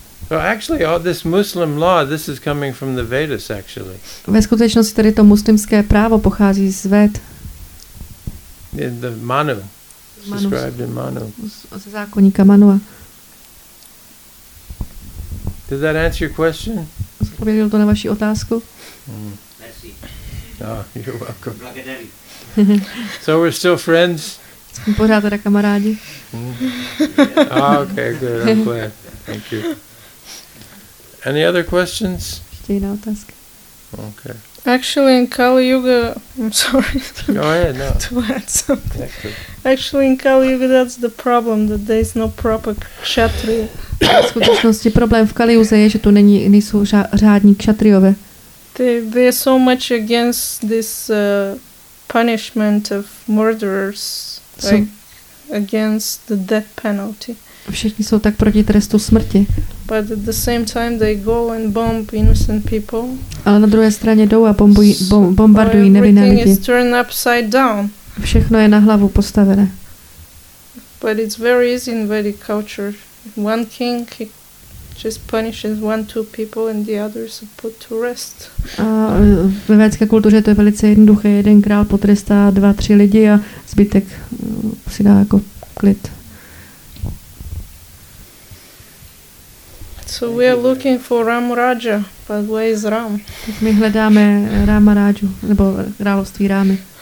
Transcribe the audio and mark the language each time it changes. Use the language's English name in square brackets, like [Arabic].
[English] Well, actually, all this Muslim law, this is coming from the Vedas, actually. [Czech] Ve skutečnosti tady to muslimské právo pochází z Ved. [English] In the Manu. Described in Manu. [Czech] Ze zákoníka Manua. [English] Did that answer your question? [Czech] Odpověděl to na vaši otázku? [English] Mm. Oh, you're welcome. So we're still friends? [Czech] Jsme pořád teda kamarádi. [English] Oh, okay, good. I'm glad. Thank you. Any other questions? [Czech] Ještě jiná otázka. [English] Okay. Actually, in Kali Yuga, I'm sorry. Go ahead, no. To add something. Actually, in Kali Yuga, that's the problem, that there is no proper kshatriya. [Czech] V skutečnosti problém v Kali Yuze je, že tu není, nejsou řádní kšatriové. [English] They are so much against this punishment of murderers, against the death penalty. [Czech] Všichni jsou tak proti trestu smrti. [English] But at the same time they go and bomb innocent people. [Czech] Ale na druhé straně jdou a bombardují nevinné lidi. [English] Everything is turned upside down. [Czech] Všechno je na hlavu postavené. [English] But it's very easy in Vedic culture. One king he just punishes one two people and the others are put to rest. [Czech] A ve védské kultuře to je velice jednoduché. Jeden král potrestá dva tři lidi a zbytek si dá jako klid. [English] So we are looking for Ramaraja, but where is Ram? [Czech] My hledáme Ramaraju, nebo království Rámy.